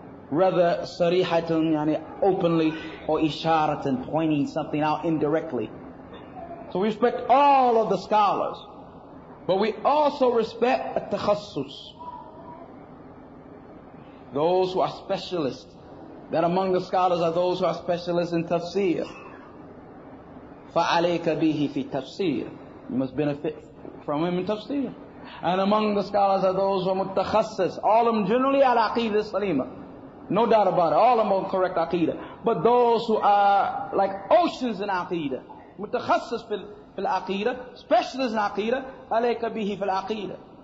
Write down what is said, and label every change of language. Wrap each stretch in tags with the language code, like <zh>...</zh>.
<en>Rather, sarihatan, yani openly, or isharatan, pointing something out indirectly. So we respect all of the scholars, but we also respect at-takhassus. Those who are specialists, that among the scholars are those who are specialists in tafsir.</en> <ar>فَعَلَيْكَ بِهِ فِي tafsir.</ar> <en>You must benefit from him in tafsir. And among the scholars are those who are mutakhassis, all of them generally al-aqidah salima. No doubt about it. All of them are correct aqidah. But those who are like oceans in aqidah, mutakhassis fil aqidah, specialists in aqidah, alayka bihi fil aqidah.</en>